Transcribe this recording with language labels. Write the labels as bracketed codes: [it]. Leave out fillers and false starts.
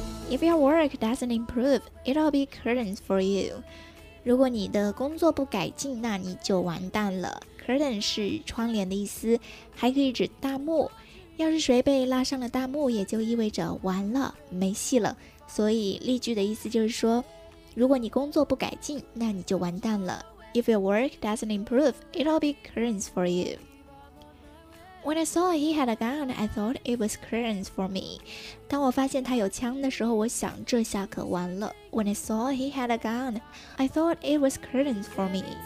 [en] If your work doesn't improve, it'll be curtains for you. [zh] 如果你的工作不改进，那你就完蛋了。 Curtain 是窗帘的意思，还可以指大幕。要是谁被拉上了大幕，也就意味着完了，没戏了。所以例句的意思就是说，如果你工作不改进，那你就完蛋了。 [en] If your work doesn't improve, it'll be curtains for you. When I saw he had a gun, I thought it was curtains for me. [zh] 当我发现他有枪的时候，我想这下可完了。 [en] When I saw he had a gun, I thought it was curtains for me.